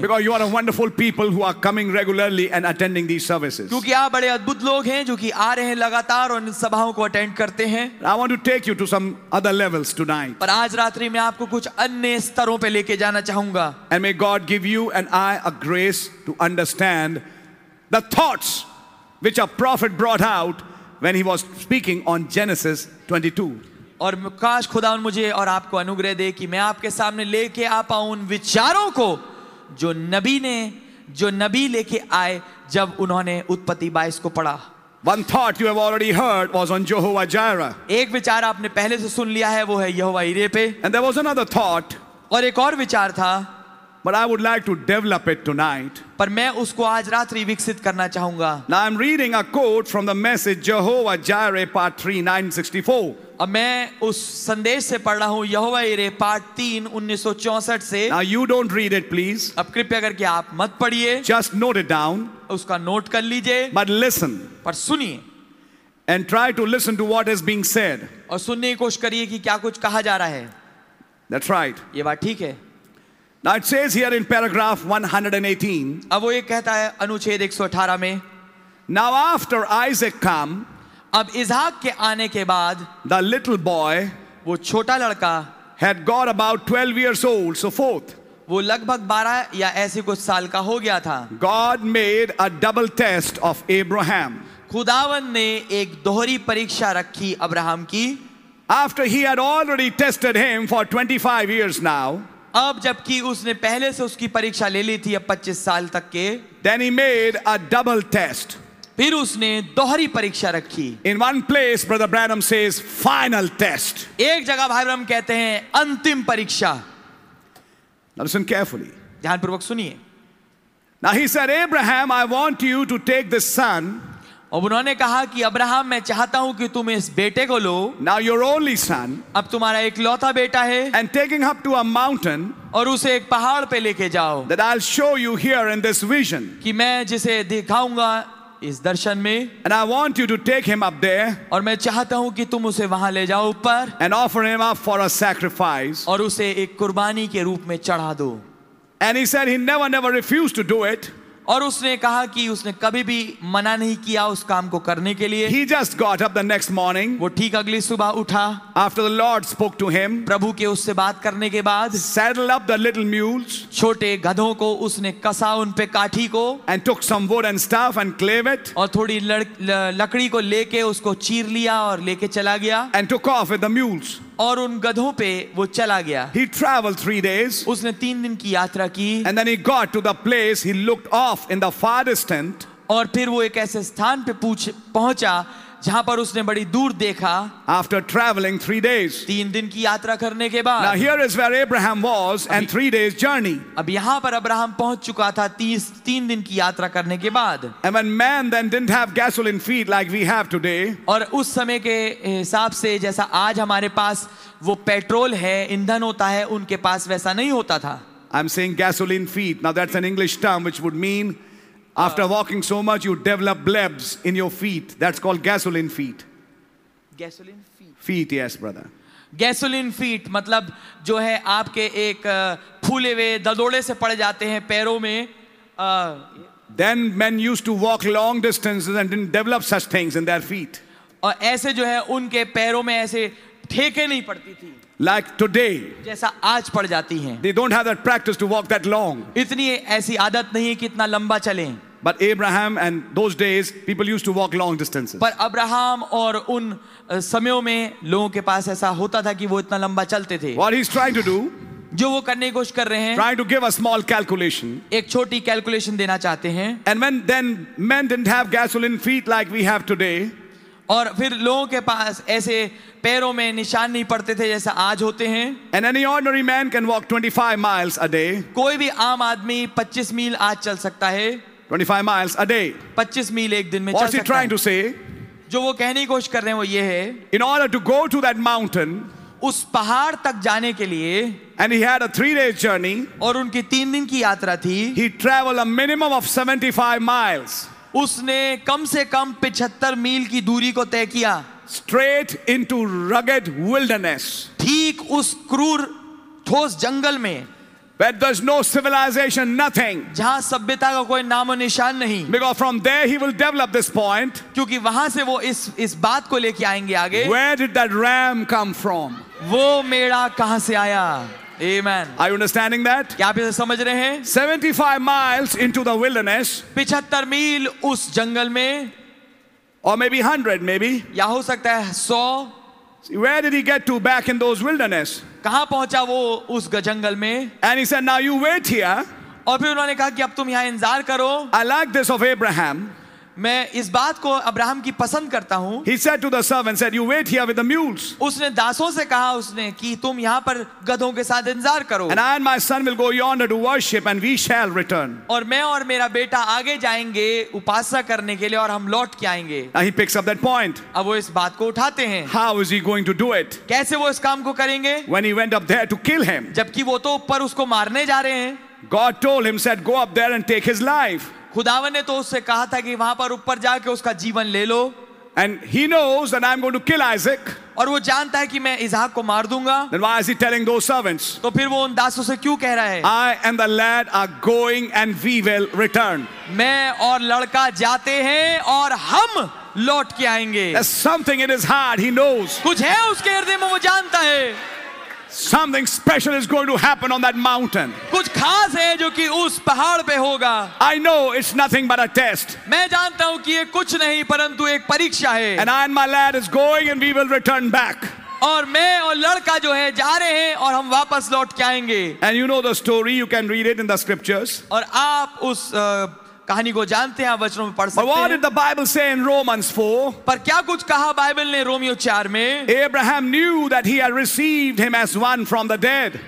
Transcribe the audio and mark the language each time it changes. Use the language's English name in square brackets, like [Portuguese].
[English] Because you are a wonderful people who are coming regularly and attending these services. [Hindi] क्योंकि आप बड़े अद्भुत लोग हैं जो कि आ रहे हैं लगातार और इन सभाओं को अटेंड करते हैं. [English] I want to take you to some other levels tonight. [Hindi] पर आज रात्रि मैं आपको कुछ अन्य स्तरों पे लेके जाना चाहूंगा. [English] And may God give you and I a grace to understand the thoughts which a prophet brought out when he was speaking on Genesis 22. [Hindi] और काश खुदा मुझे और आपको अनुग्रह दे कि मैं आपके सामने लेके आ पाऊं उन विचारों को जो नबी लेके आए जब उन्होंने उत्पत्ति 22 को पढ़ा [English] One thought you have already heard was on Jehovah Jireh. [Hindi] एक विचार आपने पहले से सुन लिया है वो है यहोवा यिरे पे [English] And there was another thought, [Hindi] और एक और विचार था [English] But I would like to develop it tonight. [Hindi] पर मैं उसको आज रात्रि विकसित करना चाहूंगा [English] Now I'm reading a quote from the message Jehovah Jireh part 3 964 [Hindi] अब मैं उस संदेश से पढ़ रहा हूं यहोवा यिरे पार्ट 3 1964 से [English] Now you don't read it please [Hindi] अब कृपया करके आप मत पढ़िए [English] Just note it down [Hindi] उसका नोट कर लीजिए [English] But listen [Hindi] पर सुनिए [English] And try to listen to what is being said [Hindi] और सुनने की कोशिश करिए कि क्या कुछ कहा जा रहा है [English] That's right [Hindi] ये बात ठीक है [English] Now it says here in paragraph 118 [Hindi] अब वो ये कहता है अनुच्छेद 118 में [English] Now after Isaac come [Hindi] अब इजहाक के आने के बाद [English] the little boy [Hindi] वो छोटा लड़का [English] had got about 12 years old so forth [Hindi] वो लगभग 12 या ऐसे कुछ साल का हो गया था [English] God made a double test of Abraham [Hindi] खुदावन ने एक दोहरी परीक्षा रखी अब्राहम की [English] after he had already tested him for 25 years now [Hindi] अब जबकि उसने पहले से उसकी परीक्षा ले ली थी अब 25 साल तक के [English] then he made a double test [Hindi] फिर उसने दोहरी परीक्षा रखी [English] in one place brother Branham says final test [Hindi] एक जगह भाई ब्रैनम कहते हैं अंतिम परीक्षा [English] Now listen carefully. [Hindi] ध्यानपूर्वक सुनिए [English] Now he said, Abraham, I want you to take this son. [Hindi] अब उन्होंने कहा कि अब्राहम मैं चाहता हूं कि तुम इस बेटे को लो [English] now your only son [Hindi] अब तुम्हारा एक लौता बेटा है [English] and taking up to a mountain [Hindi] और उसे एक पहाड़ पे लेके जाओ [English] that I will show you here in this vision [Hindi] कि मैं जिसे दिखाऊंगा इस दर्शन में [English] and I want you to take him up there [Hindi] और मैं चाहता हूं कि तुम उसे वहां ले जाओ ऊपर [English] and offer him up for a sacrifice [Hindi] और उसे एक कुर्बानी के रूप में चढ़ा दो [English] and he said he never never refused to do it [Hindi] और उसने कहा कि उसने कभी भी मना नहीं किया उस काम को करने के लिए [English] He just got up the next morning, [Hindi] वो ठीक अगली सुबह उठा [English] After the Lord spoke to him, [Hindi] प्रभु के उससे बात करने के बाद [English] saddled up the little mules, [Hindi] छोटे गधों को उसने कसा उन पे काठी को [English] and took some wood and staff and clave it, [Hindi] और थोड़ी लकड़ी को लेके उसको चीर लिया और लेके चला गया [English] and took off with the mules. [Hindi] और उन गधों पे वो चला गया [English] He traveled 3 days, [Hindi] उसने 3 दिन की यात्रा की [English] and then he got to the place he looked off in the farthest tent, [Hindi] और फिर वो एक ऐसे स्थान पे पहुंचा जहां पर उसने बड़ी दूर देखा [English] After traveling 3 days, [Hindi] 3 दिन की यात्रा करने के बाद [English] Now here is where Abraham was and 3 days journey. [Hindi] अब यहां पर अब्राहम पहुंच चुका था 3 दिन की यात्रा करने के बाद [English] And when man then didn't have gasoline feet like we have today, [Hindi] और उस समय के हिसाब से जैसा आज हमारे पास वो पेट्रोल है ईंधन होता है उनके पास वैसा नहीं होता था [English] I'm saying gasoline feet. Now that's an English term which would mean After walking so much, you develop blebs in your feet. That's called gasoline feet. Gasoline feet. Feet, yes, brother. [Hindi] Gasoline feet, मतलब जो है आपके एक फूले हुए दलदले से पड़ जाते हैं पैरों में. [English] Then men used to walk long distances and didn't develop such things in their feet. [Hindi] और ऐसे जो है उनके पैरों में ऐसे ठेके नहीं पड़ती थी. [English] Like today, [Hindi] जैसा आज पड़ जाती हैं. [English] They don't have that practice to walk that long. [Hindi] इतनी ऐसी आदत नहीं कि इतना लंबा चलें. [English] But Abraham and those days, people used to walk long distances. [Hindi] पर अब्राहम और उन समयों में लोगों के पास ऐसा होता था कि वो इतना लंबा चलते थे. [English] What he's trying to do? [Hindi] जो वो करने की कोशिश कर रहे हैं. [English] Trying to give a small calculation. [Hindi] एक छोटी calculation देना चाहते हैं. [English] And when then men didn't have gasoline feet like we have today. [Hindi] और फिर लोगों के पास ऐसे पैरों में निशान नहीं पड़ते थे जैसा आज होते हैं [English] And any ordinary man can walk 25 miles a day. [Hindi] कोई भी आम आदमी 25 मील आज चल सकता है [English] 25 miles a day. [Hindi] 25 मील एक दिन में [English] What's he trying to say? [Hindi] जो वो कहने की कोशिश कर रहे हैं वो ये है [English] In order to go to that mountain, [Hindi] उस पहाड़ तक जाने के लिए [English] And he had a 3-day journey, [Hindi] और उनकी 3 दिन की यात्रा थी [English] he traveled a minimum of 75 miles. [Hindi] उसने कम से कम 75 मील की दूरी को तय किया [English] straight into rugged wilderness [Hindi] ठीक उस क्रूर ठोस जंगल में [English] Where there's no civilization, nothing. [Hindi] जहाँ सभ्यता का कोई नामो निशान नहीं. [English] Because from there he will develop this point. [Hindi] क्योंकि वहाँ से वो इस बात को लेके आएंगे आगे. [English] Where did that ram come from? [Hindi] वो मेड़ा कहाँ से आया? Amen. [English] Are you understanding that? [Hindi] क्या आप इसे समझ रहे हैं? [English] 75 miles into the wilderness. [Hindi] 75 मील उस जंगल में. [English] Or maybe 100, maybe. [Hindi] या हो सकता है 100. [English] Where did he get to back in those wilderness? [Hindi] कहाँ पहुँचा वो उस जंगल में? [English] And he said, "Now you wait here." [Hindi] और फिर उन्होंने कहा कि अब तुम यहाँ इंतजार करो. [English] I like this of Abraham. [Hindi] मैं इस बात को अब्राहम की पसंद करता हूँ. [English] He said to the servant, "Said you wait here with the mules." [Hindi] उसने दासों से कहा उसने कि तुम यहाँ पर गधों के साथ इंतजार करो. [English] And I and my son will go yonder to worship, and we shall return. [Hindi] और मैं और मेरा बेटा आगे जाएंगे उपासना करने के लिए और हम लौट के आएंगे. [English] Now he picks up that point. [Hindi] अब वो इस बात को उठाते हैं. [English] How is he going to do it? [Hindi] कैसे वो इस काम को करेंगे? [English] When he went up there to kill him. [Hindi] जबकि वो तो ऊपर उसको मारने जा रहे हैं. [English] God told him, said, "Go up there and take his life." [Hindi] खुदावन ने तो उससे कहा था कि वहां पर ऊपर जाके उसका जीवन ले लो [English] and he knows that I am going to kill Isaac [Hindi] और वो जानता है कि मैं इसहाक को मार दूंगा [English] then why is he telling those servants [Hindi] तो फिर वो उन दासों से क्यों कह रहा है [English] I and the lad are going and we will return [Hindi] मैं और लड़का जाते हैं और हम लौट के आएंगे [English] there is something in his heart he knows [Hindi] कुछ है उसके हृदय में वो जानता है [English] Something special is going to happen on that mountain. [Hindi] कुछ खास है जो कि उस पहाड़ पे होगा. [English] I know it's nothing but a test. [Hindi] मैं जानता हूँ कि ये कुछ नहीं परंतु एक परीक्षा है. [English] And I and my lad is going, and we will return back. [Hindi] और मैं और लड़का जो है जा रहे हैं और हम वापस लौट के आएंगे. [English] And you know the story. You can read it in the scriptures. [Hindi] और आप उस कहानी को जानते हैं, वचनों में पढ़ सकते हैं। [English] But what did the Bible say in Romans 4? [Hindi] पर क्या कुछ कहा बाइबल ने रोमियो 4 में? [English] Abraham knew that he had received him as one from the dead.